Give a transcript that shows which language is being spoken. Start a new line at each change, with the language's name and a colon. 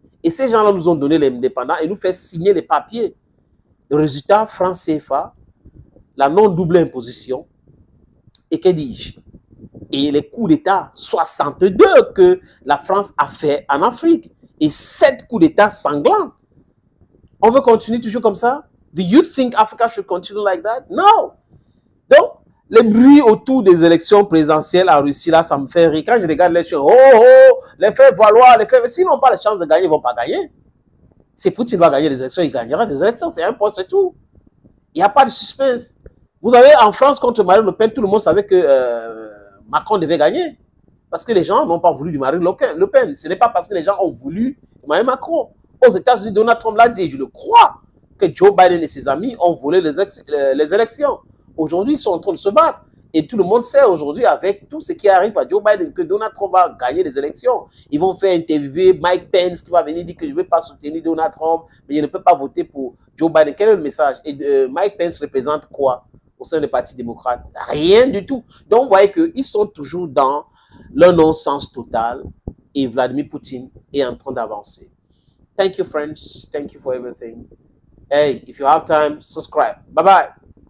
French: Et ces gens-là nous ont donné l'indépendance et nous fait signer les papiers. Le résultat, France CFA, la non-double imposition, et que dis-je? Et les coups d'État 62 que la France a fait en Afrique, et 7 coups d'État sanglants. On veut continuer toujours comme ça?
English: Do you think Africa should continue like that? No!
French: Donc, les bruits autour des élections présidentielles en Russie, là, ça me fait rire. Quand je regarde les choses, oh, oh, les faits valoir, les faits, s'ils n'ont pas la chance de gagner, ils ne vont pas gagner. C'est Poutine va gagner les élections, il gagnera des élections, c'est un point, c'est tout. Il n'y a pas de suspense. Vous avez en France contre Marine Le Pen, tout le monde savait que Macron devait gagner. Parce que les gens n'ont pas voulu du Marine Le Pen. Ce n'est pas parce que les gens ont voulu Emmanuel Macron. Aux États-Unis, Donald Trump l'a dit, je le crois, que Joe Biden et ses amis ont volé les élections. Aujourd'hui, ils sont en train de se battre. Et tout le monde sait aujourd'hui, avec tout ce qui arrive à Joe Biden, que Donald Trump va gagner les élections. Ils vont faire interviewer Mike Pence qui va venir dire que je ne vais pas soutenir Donald Trump, mais je ne peux pas voter pour Joe Biden. Quel est le message? Et Mike Pence représente quoi au sein du Parti démocrate? Rien du tout. Donc, vous voyez qu'ils sont toujours dans le non-sens total et Vladimir Poutine est en train d'avancer.
English: Thank you, friends. Thank you for everything. Hey, if you have time, subscribe. Bye-bye.